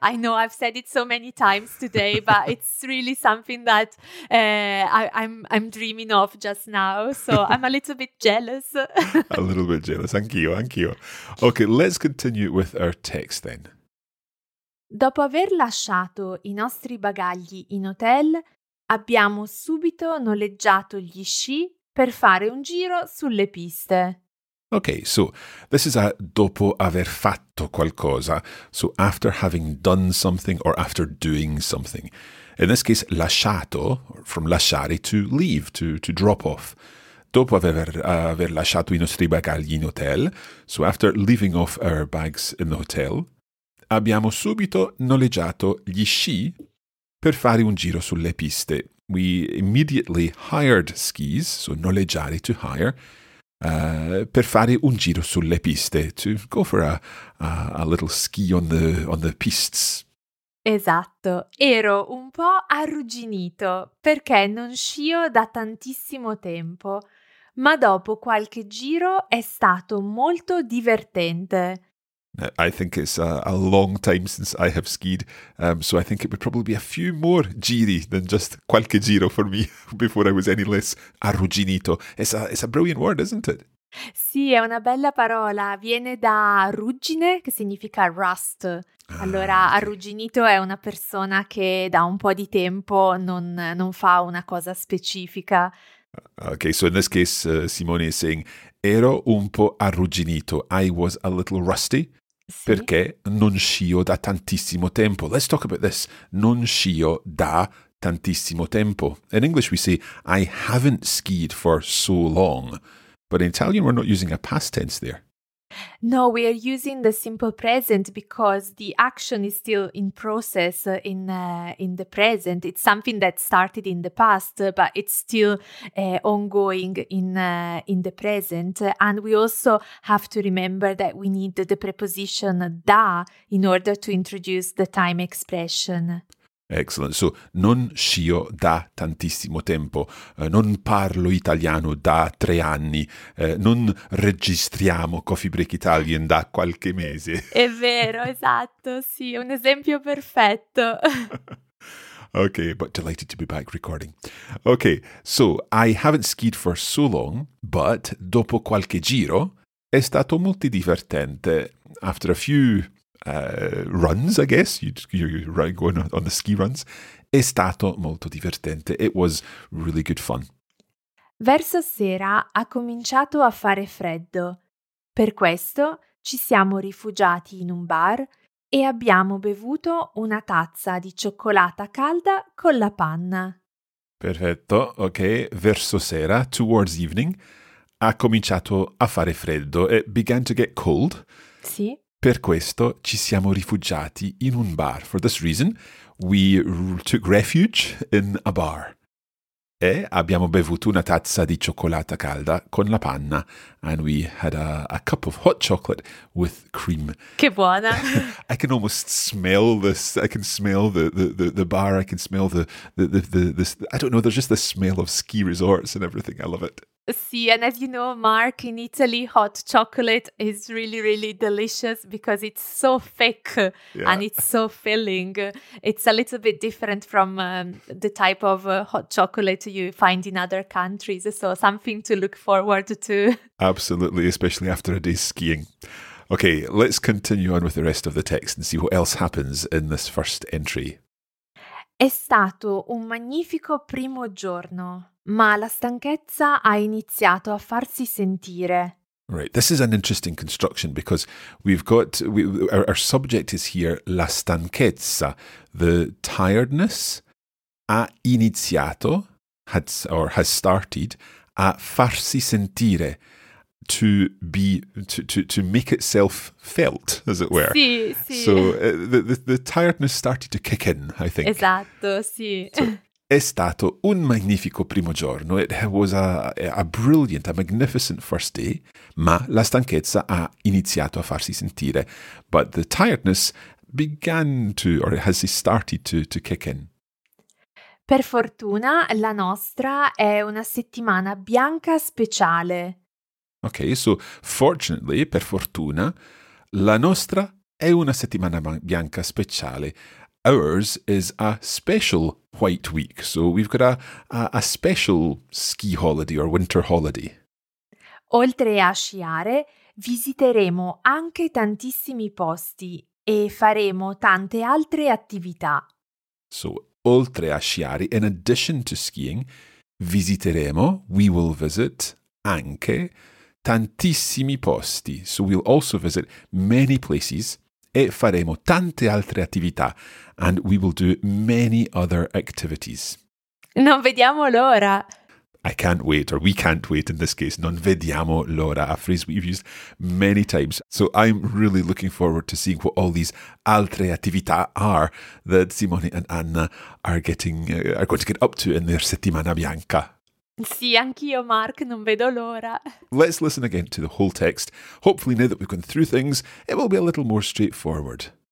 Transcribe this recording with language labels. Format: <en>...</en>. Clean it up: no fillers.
<en>I know I've said it so many times today, but it's really something that I'm dreaming of just now, so I'm a little bit jealous. A little bit jealous,</en> <it>anch'io.</it> <en>Okay, let's continue with our text then.</en> <it>Dopo aver lasciato i nostri bagagli in hotel, abbiamo subito noleggiato gli sci per fare un giro sulle piste.</it> <en>Okay, so this is a</en> <it>dopo aver fatto qualcosa.</it> <en>So after having done something or after doing something. In this case, lasciato, from lasciare, to leave, to drop off.</en> <it>Dopo aver lasciato i nostri bagagli in hotel,</it> <en>so after leaving off our bags in the hotel,</en> <it>abbiamo subito noleggiato gli sci per fare un giro sulle piste.</it> <en>We immediately hired skis, so noleggiare to hire,</en> <it>per fare un giro sulle piste,</it> <en>to go for a little ski on the pistes.</en> <it>Esatto, ero un po' arrugginito perché non scio da tantissimo tempo, ma dopo qualche giro è stato molto divertente.</it> <en>I think it's a long time since I have skied, so I think it would probably be a few more giri than just</en> <it>qualche giro</it> <en>for me before I was any less arrugginito. It's a brilliant word, isn't it?</en> <it>Sì, è una bella parola. Viene da ruggine, che significa rust. Allora, arrugginito è una persona che da un po' di tempo non fa una cosa specifica.</it> <en>Okay, so in this case, Simone is saying,</en> <it>ero un po' arrugginito.</it> <en>I was a little rusty.</en> <it>Sì. Perché non scio da tantissimo tempo.</it> <en>Let's talk about this.</en> <it>Non scio da tantissimo tempo.</it> <en>In English we say, I haven't skied for so long. But in Italian we're not using a past tense there. No, we are using the simple present because the action is still in process in the present. It's something that started in the past, but it's still ongoing in the present. And we also have to remember that we need the preposition da in order to introduce the time expression. Excellent. So,</en> <it>non scio da tantissimo tempo, non parlo italiano da 3 anni, non registriamo Coffee Break Italian da qualche mese. È vero, esatto, sì, un esempio perfetto.</it> <en>Okay, but delighted to be back recording. Okay, so, I haven't skied for so long, but</en> <it>dopo qualche giro è stato molto divertente.</it> <en>After a few runs, I guess, you're going on the ski runs,</en> <it>è stato molto divertente.</it> <en>It was really good fun.</en> <it>Verso sera ha cominciato a fare freddo. Per questo ci siamo rifugiati in un bar e abbiamo bevuto una tazza di cioccolata calda con la panna. Perfetto, ok. Verso sera,</it> <en>towards evening,</en> <it>ha cominciato a fare freddo.</it> <en>It began to get cold.</en> <it>Sì. Per questo ci siamo rifugiati in un bar.</it> <en>For this reason, we took refuge in a bar.</en> <it>E abbiamo bevuto una tazza di cioccolata calda con la panna.</it> <en>And we had a cup of hot chocolate with cream.</en> <it>Che buona!</it> <en>I can almost smell this. I can smell the bar. I can smell the I don't know, there's just the smell of ski resorts and everything. I love it. See, and as you know, Mark, in Italy, hot chocolate is really, really delicious because it's so thick, yeah. And it's so filling. It's a little bit different from the type of hot chocolate you find in other countries. So something to look forward to. Absolutely, especially after a day's skiing. Okay, let's continue on with the rest of the text and see what else happens in this first entry.</en> <it>È stato un magnifico primo giorno. Ma la stanchezza ha iniziato a farsi sentire.</it> <en>Right, this is an interesting construction because we've got, our subject is here,</en> <it>la stanchezza,</it> <en>the tiredness,</en> <it>ha iniziato,</it> <en>has started,</en> <it>a farsi sentire,</it> <en>to make itself felt, as it were.</en> <it>Sì, sì.</it> <en>So the tiredness started to kick in, I think.</en> <it>Esatto, sì. È stato un magnifico primo giorno.</it> <en>It was a brilliant, a magnificent first day.</en> <it>Ma la stanchezza ha iniziato a farsi sentire.</it> <en>But the tiredness began to, or has he started to kick in?</en> <it>Per fortuna, la nostra è una settimana bianca speciale.</it> <en>Okay, so fortunately,</en> <it>per fortuna, la nostra è una settimana bianca speciale.</it> <en>Ours is a special white week. So we've got a special ski holiday or winter holiday.</en> <it>Oltre a sciare, visiteremo anche tantissimi posti e faremo tante altre attività.</it> <en>So,</en> <it>oltre a sciare,</it> <en>in addition to skiing,</en> <it>visiteremo,</it> <en>we will visit,</en> <it>anche, tantissimi posti.</it> <en>So we'll also visit many places</en> <it>e faremo tante altre attività.</it> <en>And we will do many other activities.</en> <it>Non vediamo l'ora!</it> <en>I can't wait, or we can't wait in this case.</en> <it>Non vediamo l'ora,</it> <en>a phrase we've used many times. So I'm really looking forward to seeing what all these</en> <it>altre attività</it> <en>are that Simone and Anna are going to get up to in their</en> <it>settimana bianca. Sì, anch'io, Mark, non vedo l'ora.</it> <en>Let's listen again to the whole text. Hopefully now that we've gone through things, it will be a little more straightforward.</en>